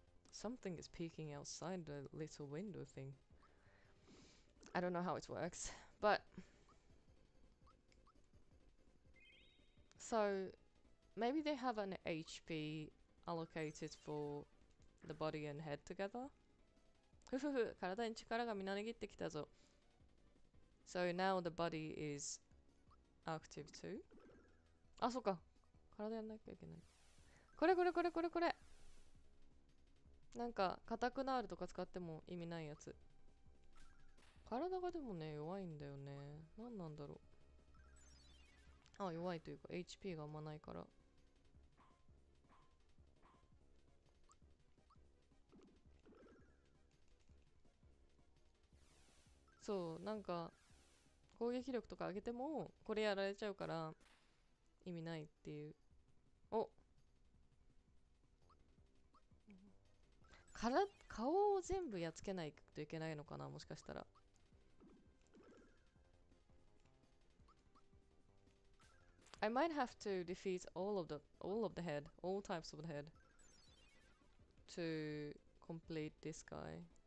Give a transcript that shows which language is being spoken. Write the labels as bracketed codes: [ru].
[en] Something is peeking outside the little window thing. I don't know how it works. But. So. Maybe they have an HP allocated for the body and head together? [ja] ふふふ、体に力がみなぎってきたぞ。 [en] So now the body is active too? [ja] あ、そうか。体やんなきゃいけない。これこれこれこれこれ。なんか、カタクナールとか使っても意味ないやつ。体がでもね、弱いんだよね。何なんだろう。あ、弱いというか、HP があんまないから。そう、なんか、攻撃力とか上げても、これやられちゃうから、意味ないっていう。顔を全部やっつけないといけないのかな、もしかしたら。 [en] I might have to defeat all of the head, all types of the head to complete this guy.